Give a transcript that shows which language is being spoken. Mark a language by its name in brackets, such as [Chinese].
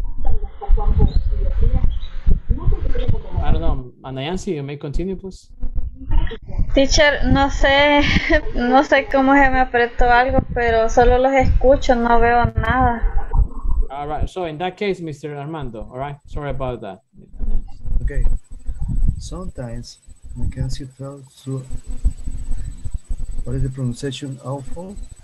[English] I don't know. Anayansi, you may continue, please. [Spanish] Teacher, no sé cómo se me apretó algo, pero solo los escucho, no veo nada. [English] All right, so in that case, Mr. Armando, all right, sorry about that. Okay, sometimes Mackenzie felt so, what is the pronunciation, awful?